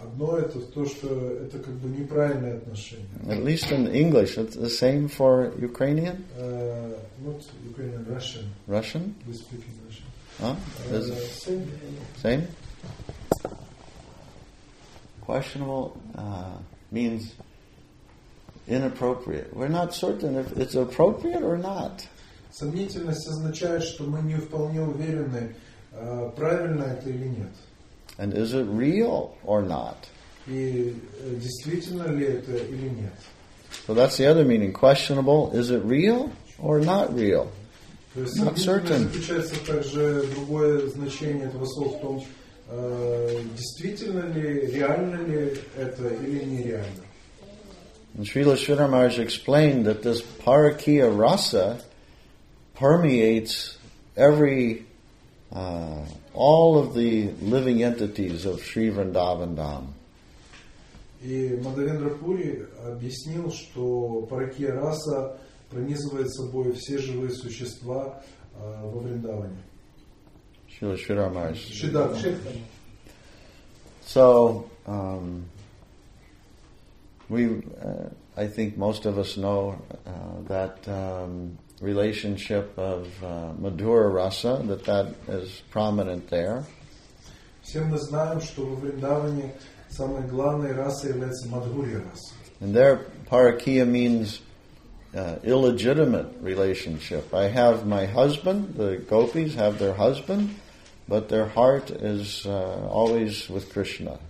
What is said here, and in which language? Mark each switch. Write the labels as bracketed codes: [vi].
[ru] Одно это то, что это как бы неправильное отношение. [en] At least in English, it's the same for Ukrainian. Not Ukrainian, Russian. Russian. We speak in Russian. Same. Questionable means inappropriate. We're not certain if it's appropriate or not. [ru] Сомнительность означает, что мы не вполне уверены, правильно это или нет. [en] And is it real or not? [ru] И действительно ли это или нет? [en] So that's the other meaning. Questionable. Is it real or not real? Not certain. [ru] Заключается также другое значение этого слова в том, действительно ли, реально ли это или нереально. [en] And Srila Sridhar Maharaj explained that this parakīya rasa permeates every all of the living entities of Sri Vrindavan Dham. [ru] И Мадхавендра Пури объяснил, что парakīya rasa пронизывает собой все живые существа во Вриндаване. [en] Srila Sridhar Maharaj. Sridhar. So I think most of us know that relationship of Madhura Rasa, that is prominent there. [ru] Всем мы знаем, что во Вриндаване самой главной расой является Мадхурья Раса. [en] And there, parakīya means illegitimate relationship. I have my husband, the gopis have their husband, but their heart is always with Krishna.